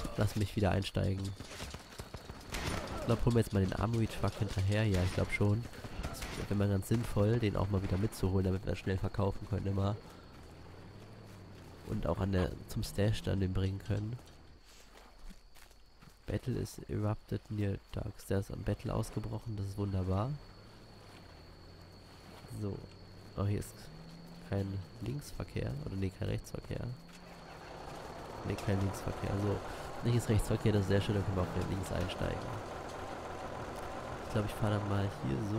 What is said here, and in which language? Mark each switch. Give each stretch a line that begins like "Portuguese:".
German: Lass mich wieder einsteigen. Ich glaube, holen wir jetzt mal den Armory Truck hinterher. Ja, ich glaube schon. Das wäre immer ganz sinnvoll, den auch mal wieder mitzuholen, damit wir schnell verkaufen können immer. Und auch an der zum Stash dann den bringen können.
English: Battle is erupted near Darks.
German: Der ist am Battle ausgebrochen. Das ist wunderbar. So. Oh, hier ist kein Linksverkehr. Oder nee, kein Rechtsverkehr. Nee, kein Linksverkehr. So. Nicht ist Rechtsverkehr, das ist sehr schön, da können wir auch wieder links einsteigen. Ich glaube, ich fahre dann mal hier so.